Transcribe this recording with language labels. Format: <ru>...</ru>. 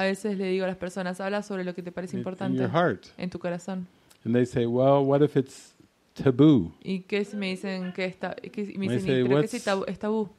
<es>A veces le digo a las personas, habla sobre lo que te parece importante.</es> <en>In your heart.</en> <es>En tu corazón.</es> <en>And they say, well, what if it's taboo?</en> <es>Y qué si me dicen que está, qué si me dicen,</es> <en>say,</en> <es>¿qué si es tabú?</es>